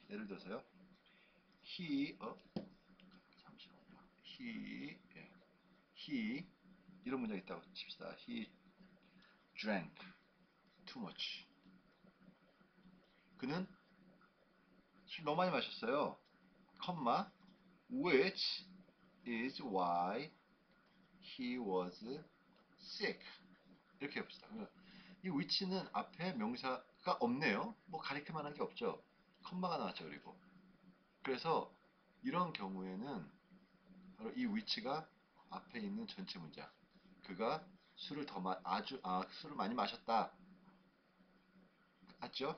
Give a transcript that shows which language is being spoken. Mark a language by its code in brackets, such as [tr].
[ko] 예를 들어서요. He 잠시만요. He 이런 문장이 있다고 칩시다. [en] He drank too much. [ko] 그는 술 너무 많이 마셨어요. [en] 컴마, which is why he was sick. [ko] 이렇게 해봅시다. 이 which는 앞에 명사가 없네요. 뭐 가리킬 만한 게 없죠. 컴마가 나왔죠, 그리고. 그래서 이런 경우에는 바로 이 위치가 앞에 있는 전체 문장. 그가 술을 더 마, 아주, 아, 술을 많이 마셨다. 맞죠?